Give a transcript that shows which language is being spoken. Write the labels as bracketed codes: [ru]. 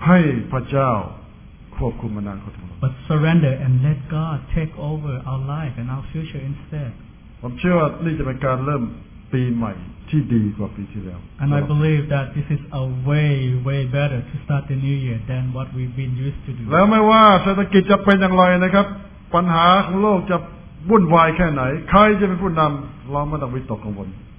[th] ให้พระเจ้าควบคุมอนาคตของเรา [en] But surrender and let God take over our life and our future instead. [th] ผมเชื่อว่านี่จะเป็นการเริ่มปีใหม่ที่ดีกว่าปีที่แล้ว [en] And I believe that this is a way, way better to start the new year than what we've been used to do. [th] แล้วไม่ว่าเศรษฐกิจจะเป็นอย่างไรนะครับปัญหาของโลกจะวุ่นวายแค่ไหนใครจะเป็นผู้นำเราไม่ต้องวิตกกังวล